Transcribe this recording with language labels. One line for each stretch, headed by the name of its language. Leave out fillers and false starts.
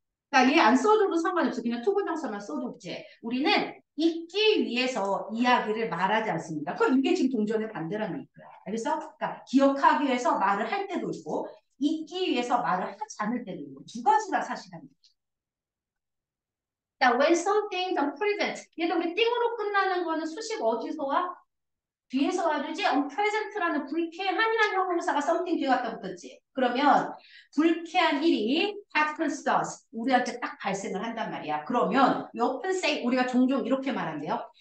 Korean: 자, 얘안 써줘도 상관없어. 그냥 to 부정사만 써도 되지. 우리는 잊기 위해서 이야기를 말하지 않습니다. 그럼 이게 지금 동전의 반대라는 거야. 알겠어? 그러니까 기억하기 위해서 말을 할 때도 있고. 잊기 위해서 말을 하지 않을 때도 있고 두 가지가 사실입니다.
English: 자, when something is unpleasant.
Korean: 얘도 우리 띵으로 끝나는 거는 수식 어디서 와? 뒤에서 와 주지? unpleasant라는 불쾌한이라는 형용사가 something 뒤에 갖다 붙었지. 그러면 불쾌한 일이
English: happens to us.
Korean: 우리한테 딱 발생을 한단 말이야. 그러면
English: we often say
Korean: 우리가 종종 이렇게 말한대요.